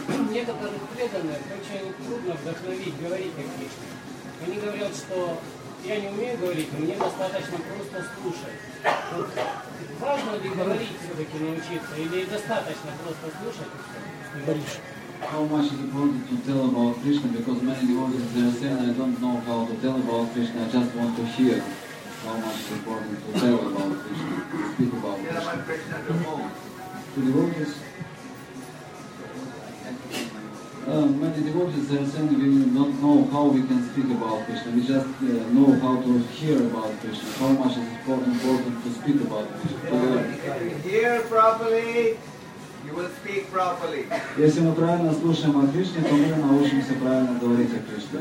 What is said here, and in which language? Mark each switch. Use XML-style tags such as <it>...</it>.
<ru>Некоторые преданные очень трудно вдохновить, говорить о Кришне. Они говорят, что я не умею говорить, мне достаточно просто слушать. Вот важно ли говорить все-таки научиться, или достаточно просто слушать?</ru> <en>How much is important to tell about Krishna? Because many devotees they are saying I don't know how to tell about Krishna, I just want to hear. How much is important to tell about Krishna, to speak about Krishna? To devotees? Many devotees are saying we don't know how we can speak about Krishna, we just know how to hear about Krishna. How much is important to speak about Krishna? If you hear properly, you will speak properly.</en> <ru>Если мы правильно слушаем о Кришне, то мы научимся правильно говорить о Кришне.</ru>